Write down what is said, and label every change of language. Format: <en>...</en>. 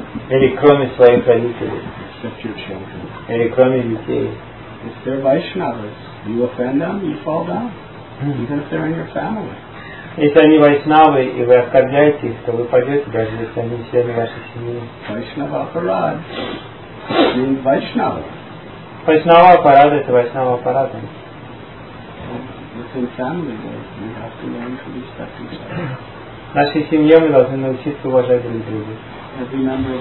<ru>Или кроме своих родителей. Или кроме детей.</ru> <en>If they're Vaishnavas, you offend them, you fall down. Even if they're in your family.</en> <ru>Если они вайшнавы, и вы оскорбляете их, то вы пойдете, даже если они члены вашей семьи. Vaishnava Parad. Vaishnava. Vaishnava Parad это Vaishnava Parad.</ru> <en>Within family, we have to learn to respect each other.</en> <ru>В нашей семье мы должны научиться уважать друг друга.</ru>